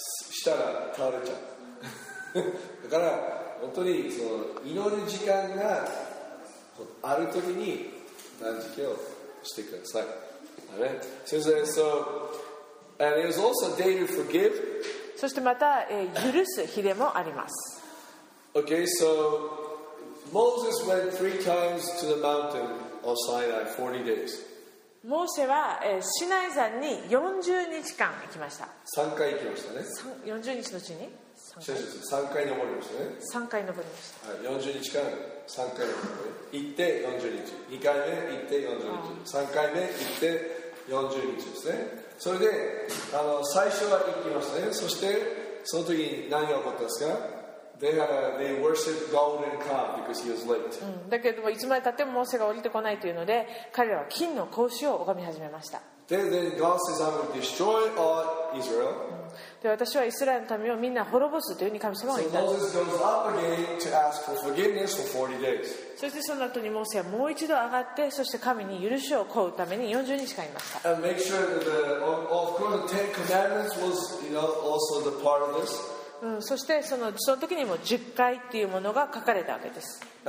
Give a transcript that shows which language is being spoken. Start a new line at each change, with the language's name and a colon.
Japanese: したら倒れちゃうだから本当にその祈る時間がある時に断食をしてください。あれ、先生、
English: so, and it was also day to forgive.
Japanese: そしてまた、許す日でもあります。
English: OK, so Moses went three times to the mountain of Sinai, 40 days
Japanese: モーセは、シナイ山に40日間行きました。 3回行きましたね。 40日のうちに 3回登りましたね。 3回登りました、はい、40日間3回登り行って40日、2回目行って40日、3回目行って40日ですね。それであの最初は行きましたね。そしてその時に何が起こったんですか。
English: They worship golden calf because he was late.
Japanese: だけどもいつまでたってもモーセが降りてこないというので彼らは金の格子を拝み始めました。
English: then God says, I will destroy all Israel.
Japanese: で私はイスラエルの民をみんな滅ぼすというふうに神様が言った。
English: So Moses goes up again to ask for forgiveness for 40 days.
Japanese: そしてその後にモーセはもう一度上がって、そして神に許しを請うために40日間いました。
English: And make sure that of course the Ten Commandments was, you know, also the part of this.
Japanese: うん、そしてその時にも10回っていうものが書かれたわけです。